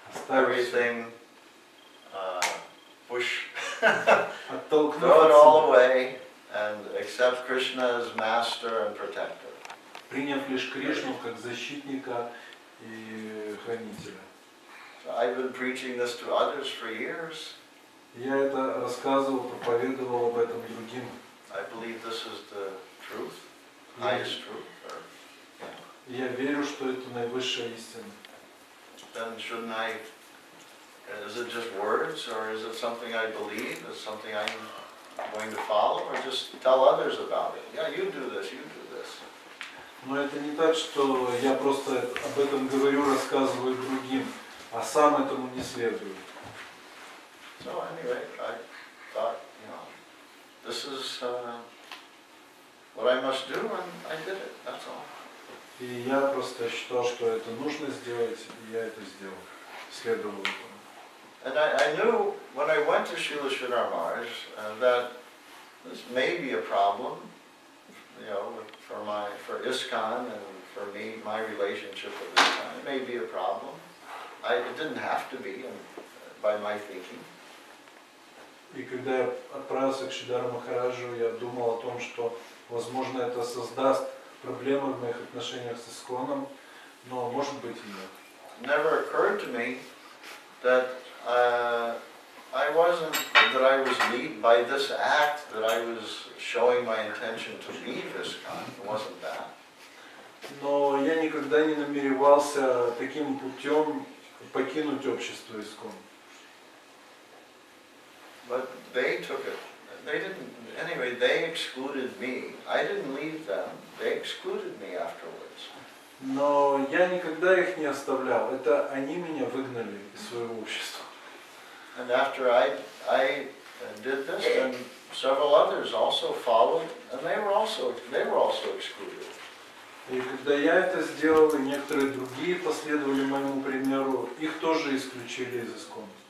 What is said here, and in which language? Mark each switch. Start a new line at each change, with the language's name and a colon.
English: Everything push throw it all away and accept Krishna as master and protector.
Russian: Приняв лишь Кришну как защитника и хранителя.
English: So I've been preaching this to others for years.
Russian: Я это рассказывал, проповедовал об этом другим.
English: I believe this is the truth, highest truth.
Russian: Я верю, что это наивысшая истина.
English: Then shouldn't I? Is it just words, or is it something I believe? Is it something I'm going to follow, or just tell others about it? Yeah, you do this, you do this.
Russian: Но это не так, что я просто об этом говорю, рассказываю другим, а сам этому не следую.
English: So anyway, I thought, you know, this is what I must do, and I did it. That's all.
Russian: И я просто считал, что это нужно сделать, и я это сделал, следовал этому.
English: And I knew when I went to Srila Sridhar Maharaj that this may be a problem, you know, for ISKCON and for me, my relationship with ISKCON, it may be a problem. It didn't have to be, by my thinking.
Russian: И когда я отправился к Шридхару Махараджу, я думал о том, что, возможно, это создаст проблемы в моих отношениях с Исконом, но может быть и нет.
English: Never occurred to me that I was lead by this act that I was showing my intention to leave ISKCON. It wasn't that.
Russian: Но я никогда не намеревался таким путем покинуть общество ISKCON.
English: But they took it. They didn't. Anyway, they excluded me. I didn't leave them. They excluded me afterwards.
Russian: Но я никогда их не оставлял. Это они меня выгнали из своего общества.
English: And after I did this, then several others also followed, and they were also excluded.
Russian: И когда я это сделал, и некоторые другие последовали моему примеру, их тоже исключили из ISKCON.